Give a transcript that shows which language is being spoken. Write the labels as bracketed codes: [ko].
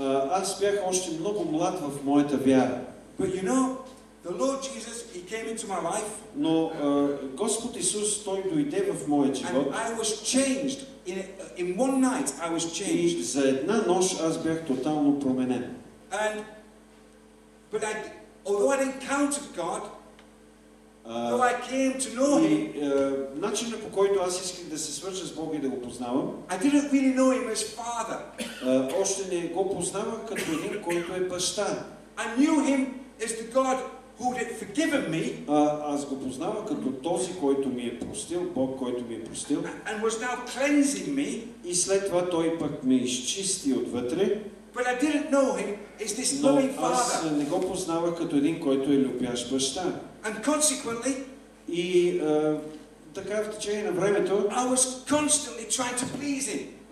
[bg] Аз бях още много млад в моята вяра. [en] But you know, the Lord Jesus, he came into my life. [bg] Но Господ Исус той дойде в моя живот. [en] And I was changed in one night. I was changed. [bg] И за една нощ аз бях тотално променен. [en] And although I'd encountered God, Though I came to know him, [bg] начинът по който аз исках да се свържа с Бога и да го познавам, [en] I didn't really know him as father. [bg] Още не го познавам като един, който е баща. [en] I knew him as the God who had forgiven me. [bg] Аз го познавам като този, който ми е простил, Бог, който ми е простил. [en] And was now cleansing me. [bg] И след това той пък ме изчисти отвътре. [en] But I didn't know him as this loving father. [bg] Аз не го познавах като един, който е любящ баща. [en] And consequently, [bg] и така в течение на времето, [en] I was constantly trying to please him.